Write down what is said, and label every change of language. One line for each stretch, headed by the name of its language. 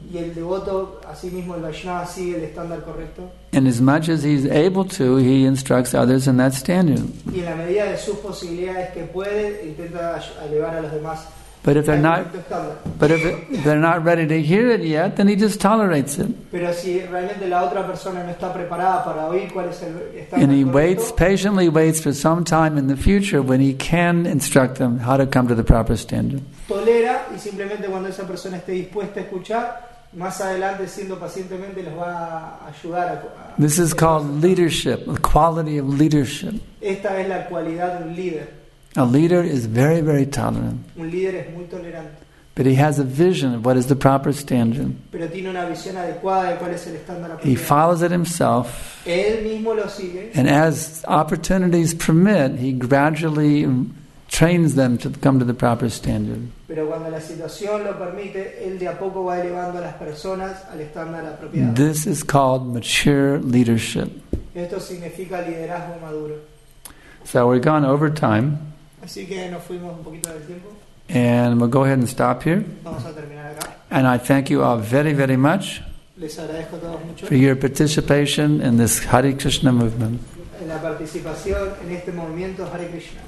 Spanish: Y el devoto, así mismo, el Vaishnava sigue el estándar correcto.
English: And as much as he's able to, he instructs others in that standard.
Spanish: Y en la medida de sus posibilidades que puede, intenta elevar a los demás.
English: But if they're not, they're not ready to hear it yet, then he just tolerates it.
Spanish: Pero si realmente la otra persona no está preparada para oír cuál es el estándar.
English: And he waits, patiently waits for some time in the future when he can instruct them how to come to the proper standard.
Spanish: Tolera y simplemente cuando esa persona esté dispuesta a escuchar, más adelante siendo pacientemente les va a ayudar a.
English: This is called leadership, the quality of leadership.
Spanish: Esta es la cualidad de un líder.
English: A leader is very, very tolerant.
Spanish: Un líder es muy tolerante.
English: But he has a vision of what is the proper standard.
Spanish: Pero tiene una visión adecuada de cuál es el estándar apropiado.
English: He follows it himself.
Spanish: Él mismo lo sigue.
English: And as opportunities permit, he gradually trains them to come to the proper standard.
Spanish: Pero cuando la situación lo permite, él de a poco va elevando a las personas al estándar apropiado.
English: This is called mature leadership.
Spanish: Esto significa liderazgo maduro.
English: So we've gone over time.
Spanish: Así que nos fuimos un poquito del tiempo.
English: And we'll go ahead and stop here.
Spanish: Vamos a terminar acá.
English: And I thank you all very, very much.
Spanish: Les agradezco a todos mucho.
English: For your participation in this Hare Krishna movement.
Spanish: En la participación en este movimiento Hare Krishna.